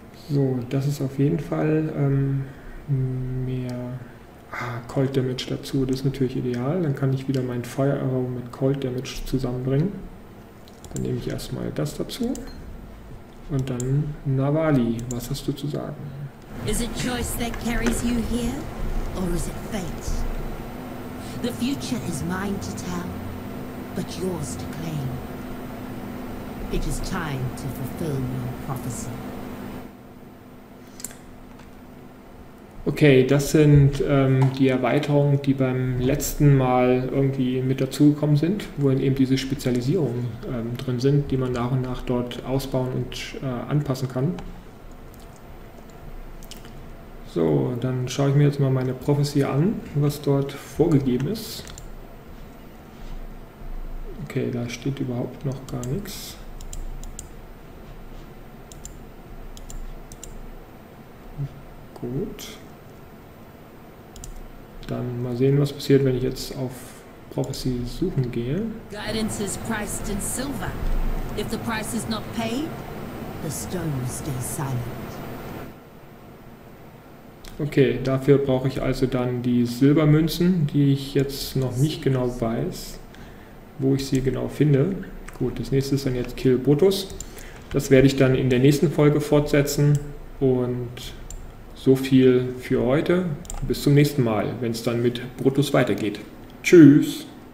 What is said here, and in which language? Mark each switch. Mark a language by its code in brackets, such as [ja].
[de] So, das ist auf jeden Fall mehr... Cold Damage dazu, das ist natürlich ideal. Dann kann ich wieder meinen Fire Arrow mit Cold Damage zusammenbringen. Dann nehme ich erstmal das dazu. Und dann Navali, was hast du zu sagen? [en] Is it choice that carries you here? Or is it fate? The future is mine to tell, but yours to claim. It is time to fulfill your prophecy. [de] Okay, das sind die Erweiterungen, die beim letzten Mal irgendwie mit dazugekommen sind, wohin eben diese Spezialisierungen drin sind, die man nach und nach dort ausbauen und anpassen kann. So, dann schaue ich mir jetzt mal meine Prophecy an, was dort vorgegeben ist. Okay, da steht überhaupt noch gar nichts. Gut. Dann mal sehen, was passiert, wenn ich jetzt auf Prophecy suchen gehe. [en] Guidance is priced in silver. If the price is not paid, the stone stays silent. [de] Okay, dafür brauche ich also dann die Silbermünzen, die ich jetzt noch nicht genau weiß, wo ich sie genau finde. Gut, das nächste ist dann jetzt Kill Botus. Das werde ich dann in der nächsten Folge fortsetzen. Und so viel für heute. Bis zum nächsten Mal, wenn es dann mit Brutus weitergeht. Tschüss!